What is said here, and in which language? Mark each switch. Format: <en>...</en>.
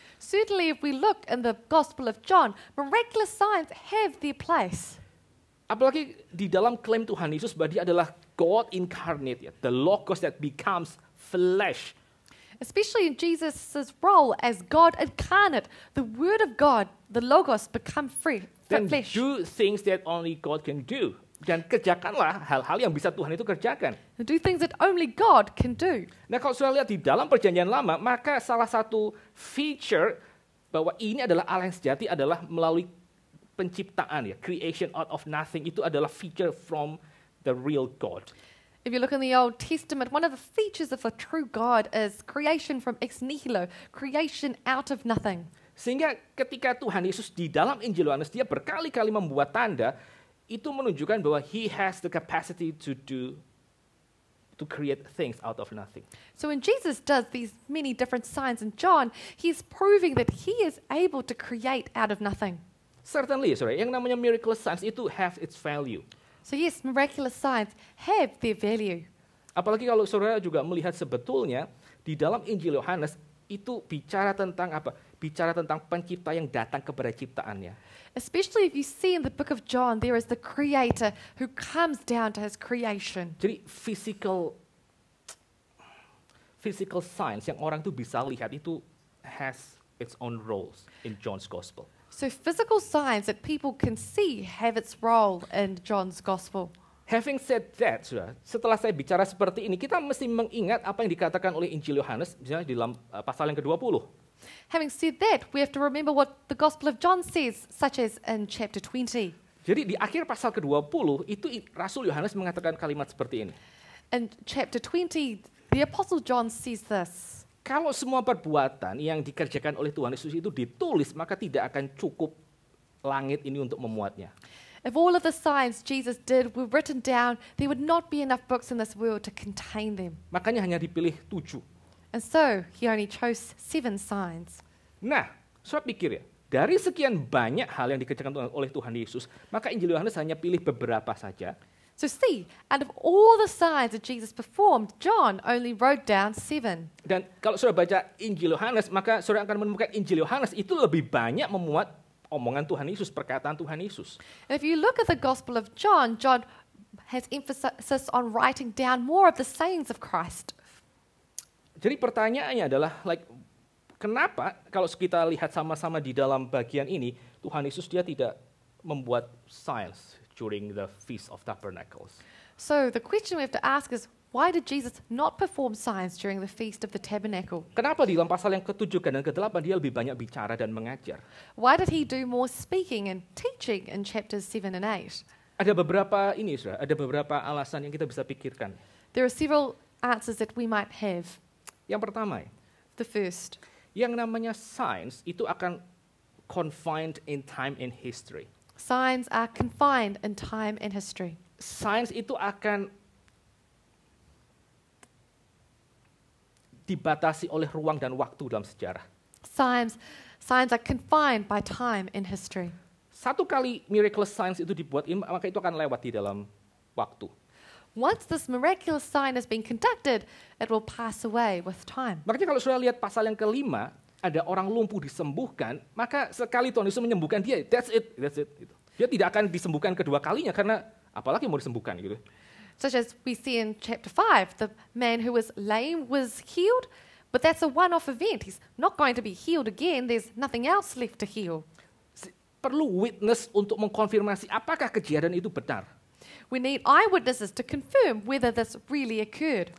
<en>Certainly if we look in the Gospel of John, miraculous signs have their place.</en> <id>Apalagi di dalam klaim Tuhan Yesus bahwa dia adalah God incarnate, ya,</id> <en>the Logos that becomes flesh. Especially in Jesus' role as God incarnate, the Word of God, the Logos, become free, then flesh. Do things that only God can do.</en> <id>Dan kerjakanlah hal-hal yang bisa Tuhan itu kerjakan.</id> <en>Do things that only God can do.</en> <id>Nah, kalau sudah lihat di dalam Perjanjian Lama, maka salah satu feature bahwa ini adalah Allah yang sejati adalah melalui penciptaan, ya,</id> <en>creation out of nothing,</en> <id>itu adalah</id> <en>feature from the real God. If you look in the Old Testament, one of the features of a true God is creation from ex nihilo, creation out of nothing.</en> <id>Sehingga ketika Tuhan Yesus di dalam Injil Yohanes, dia berkali-kali membuat tanda, itu menunjukkan bahwa</id> <en>he has the capacity to do, to create things out of nothing. So when Jesus does these many different signs in John, he's proving that he is able to create out of nothing. Certainly, sorry,</en> <id>yang namanya</id> <en>miraculous signs itu have its value. So yes, miraculous signs have their value.</en> <id>Apalagi kalau saudara juga melihat sebetulnya di dalam Injil Yohanes itu bicara tentang apa? Bicara tentang pencipta yang datang kepada ciptaannya.</id> <en>Especially if you see in the book of John, there is the creator who comes down to his creation. Jadi physical signs</en> <id>yang orang tuh bisa lihat itu</id> <en>has its own roles in John's gospel. So physical signs that people can see have its role in John's gospel. Having said that,</en> <id>setelah saya bicara seperti ini, kita mesti mengingat apa yang dikatakan oleh Injil Yohanes misalnya di dalam pasal yang ke-20.</id> <en>Having said that, we have to remember what the Gospel of John says, such as in chapter 20.</en> <id>Jadi di akhir pasal ke-20 itu Rasul Yohanes mengatakan kalimat seperti ini.</id> <en>In chapter 20, the Apostle John says this.</en> <id>Kalau semua perbuatan yang dikerjakan oleh Tuhan Yesus itu ditulis, maka tidak akan cukup langit ini untuk memuatnya.</id> <en>If all of the signs Jesus did were written down, there would not be enough books in this world to contain them.</en> <id>Makanya hanya dipilih 7.</id> <en>And so he only chose 7 signs.</en> <id>Nah, saya pikir ya, dari sekian banyak hal yang dikerjakan oleh Tuhan Yesus, maka Injil Yohanes hanya pilih beberapa saja.</id> <en>So see, out of all the signs that Jesus performed, John only wrote down 7.</en> <id>Dan kalau saudara baca Injil Yohanes, maka saudara akan menemukan Injil Yohanes itu lebih banyak memuat omongan Tuhan Yesus, perkataan Tuhan Yesus.</id> <en>And if you look at the Gospel of John, John has emphasis on writing down more of the sayings of Christ.</en> <id>Jadi pertanyaannya adalah, like, kenapa kalau kita lihat sama-sama di dalam bagian ini, Tuhan Yesus dia tidak membuat</id> <en>signs during the Feast of Tabernacles? So the question we have to ask is, why did Jesus not perform signs during the Feast of the Tabernacle?</en> <id>Kenapa di dalam pasal yang ke-7 dan ke-8 dia lebih banyak bicara dan mengajar?</id> <en>Why did he do more speaking and teaching in chapters 7 and 8?</en> <id>Ada beberapa ini, Isra, ada beberapa alasan yang kita bisa pikirkan.</id> <en>There are several answers that we might have.</en> <id>Yang pertama,</id> <en>the first.</en> <id>Yang namanya</id> <en>signs itu akan confined in time and history. Signs are confined in time and history.</en> <id>Signs itu akan dibatasi oleh ruang dan waktu dalam sejarah.</id> <en>Signs are confined by time and history.</en> <id>Satu kali miraculous signs itu dibuat, maka itu akan lewat di dalam waktu.</id> <en>Once this miraculous sign has been conducted, it will pass away with time.</en> <id>Makanya kalau sudah lihat pasal yang ke-5, ada orang lumpuh disembuhkan, maka sekali Tuhan Yesus menyembuhkan dia,</id> <en>that's it.</en> <id>Gitu. Dia tidak akan disembuhkan kedua kalinya, karena apalagi mau disembuhkan. Gitu.</id> <en>Such as we see in chapter 5, the man who was lame was healed, but that's a one-off event. He's not going to be healed again, there's nothing else left to heal.</en> <id>Perlu witness untuk mengkonfirmasi apakah kejadian itu benar.</id> <en>We need eyewitnesses to confirm whether this really occurred.</en>